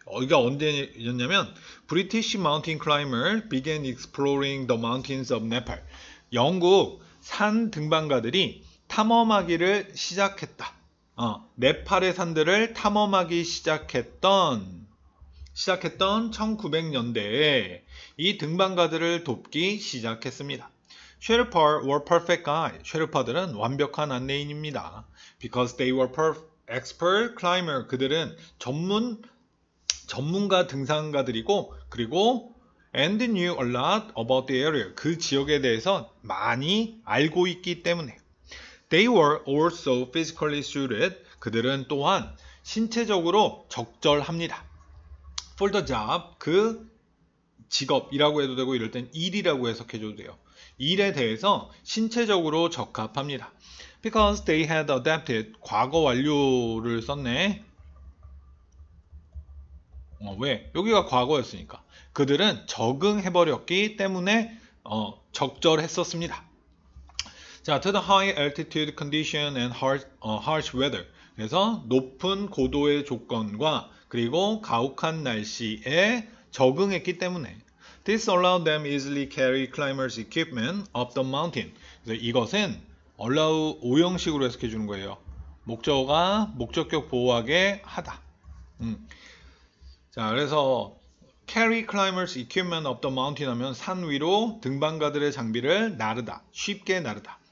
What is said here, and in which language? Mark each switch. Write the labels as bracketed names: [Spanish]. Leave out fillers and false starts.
[Korean] 이게 언제였냐면, [English] British mountain climber began exploring the mountains of Nepal. [Korean] 영국 산 등반가들이 탐험하기를 시작했다. 네팔의 산들을 탐험하기 시작했던 1900년대에 이 등반가들을 돕기 시작했습니다. [English] Sherpa were perfect guide. [Korean] 쉐르파들은 완벽한 안내인입니다. [English] Because they were expert climber. [Korean] 그들은 전문가 등산가들이고, 그리고 [English] and knew a lot about the area. [Korean] 그 지역에 대해서 많이 알고 있기 때문에. [English] They were also physically suited. [Korean] 그들은 또한 신체적으로 적절합니다. [English] For the job, [Korean] 그 직업이라고 해도 되고, 이럴 땐 일이라고 해석해줘도 돼요. 일에 대해서 신체적으로 적합합니다. [English] Because they had adapted [Korean] 과거 완료를 썼네. 왜? 여기가 과거였으니까. 그들은 적응해버렸기 때문에 적절했었습니다. [English] 자, to the high altitude condition and harsh weather. [Korean] 그래서 높은 고도의 조건과 그리고 가혹한 날씨에 적응했기 때문에. [English] This allowed them easily carry climbers equipment up the mountain. [Korean] 그래서 이것은 allow 오형식으로 해석해 주는 거예요. 목적어가 목적격 보호하게 하다. 자, 그래서 [English] carry climbers equipment up the mountain [Korean] 하면 산 위로 등반가들의 장비를 나르다. 쉽게 나르다.